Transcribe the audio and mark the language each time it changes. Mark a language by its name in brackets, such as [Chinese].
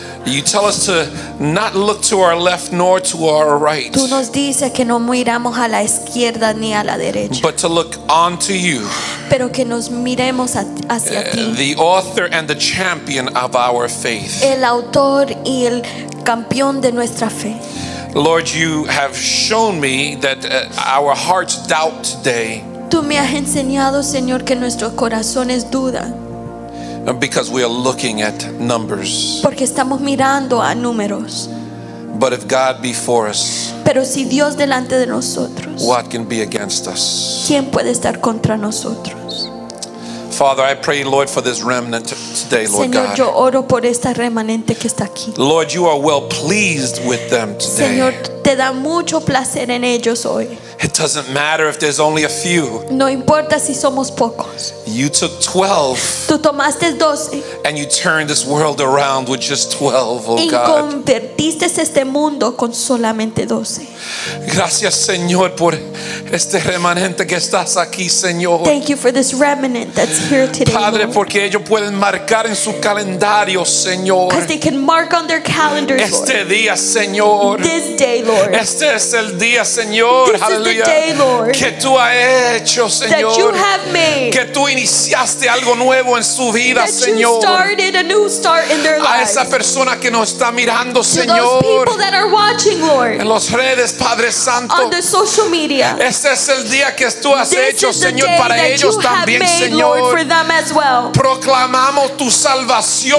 [English] You tell us to not look to our left nor to our right. [Spanish] Tú nos dices que no miramos a la izquierda ni a la derecha. [English] But to look onto you. [Spanish] Pero que nos miremos hacia ti. [English] The author and the champion of our faith. [Spanish] El autor y el campeón de nuestra fe. [English] Lord, you have shown me that our hearts doubt today. [Spanish] Tú me has enseñado, Señor, que nuestros corazones dudan. [English] Because we are looking at numbers. [Spanish] Porque estamos mirando a números. [English] But if God be for us, [Spanish] pero si Dios delante de nosotros, [English] what can be against us? [Spanish] ¿Quién puede estar contra nosotros? [English] Father, I pray, Lord, for this remnant today, Lord [Spanish] Señor, [English] God. [Spanish] Yo oro por esta remanente que está aquí. [English] Lord, you are well pleased with them today. [Spanish] Señor, te da mucho placer en ellos hoy. [English] It doesn't matter if there's only a few. [Spanish] No importa si somos pocos. [English] You took 12. [Spanish] Tú tomaste 12. [English] And you turned this world around with just 12, oh [Spanish] y [English] God. [Spanish] Y convertiste este mundo con solamente 12. Gracias, Señor, por este remanente que estás aquí, Señor. [English] Thank you for this remnant that's here today. [Spanish] Padre, [English] Lord. [Spanish] Porque ellos pueden marcar en su calendario, Señor. [English] Because they can mark on their calendars. [Spanish] Este [English] Lord. [Spanish] Día, Señor. [English] This day, Lord. [Spanish] Este es el día, Señor. [English] This is the day, Lord, [Spanish] que tú has hecho, Señor. [English] That you have made. [Spanish] que tú iniciaste algo nuevo en su vida, [English] that [Spanish] Señor. [English] You started a new start in their lives. [Spanish] A esa persona que nos está mirando, [English] to [Spanish] Señor. [English] Those people that are watching, Lord. [Spanish] En las redes, Padre Santo. [English] On the social media. [Spanish] Este es el día que tú has [English] this [Spanish] hecho, Señor, para ellos también, [English] made, [Spanish] Señor. [English] Lord, for them as well. [Spanish] Proclamamos tu salvación